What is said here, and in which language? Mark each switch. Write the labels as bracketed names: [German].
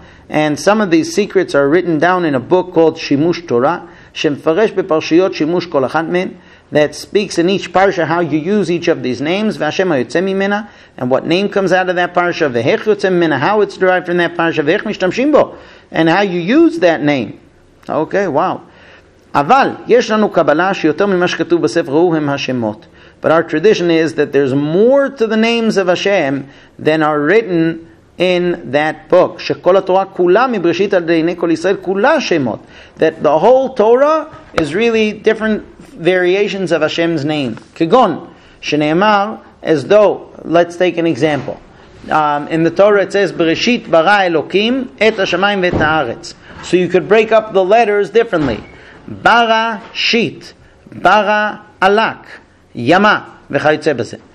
[English] And some of these secrets are written down in a book called Shimush Torah, [Hebrew] שמפרש בפרשיות שימוש כל אחד מהן, [English] that speaks in each parsha how you use each of these names, [Hebrew] והשם היוצא ממנה, [English] and what name comes out of that parsha, [Hebrew] ואיך יוצא ממנה, [English] how it's derived from that parsha, [Hebrew] ואיך משתמשים בו, [English] and how you use that name. Okay, wow. [Hebrew] אבל יש לנו קבלה שיותר ממה שכתוב בספר הוא הם השמות. [English] But our tradition is that there's more to the names of Hashem than are written in that book. [Hebrew] שכל התורה כולה מבראשית עד לעיני כל ישראל כולה שמות. [English] That the whole Torah is really different variations of Hashem's name. [Hebrew] כגון, שנאמר, [English] as though, let's take an example. In the Torah it says, [Hebrew] בראשית ברא אלוקים את השמיים ואת הארץ. [English] So you could break up the letters differently. [Hebrew] ברא שית, ברא אלק, ימה, וכיוצא בזה.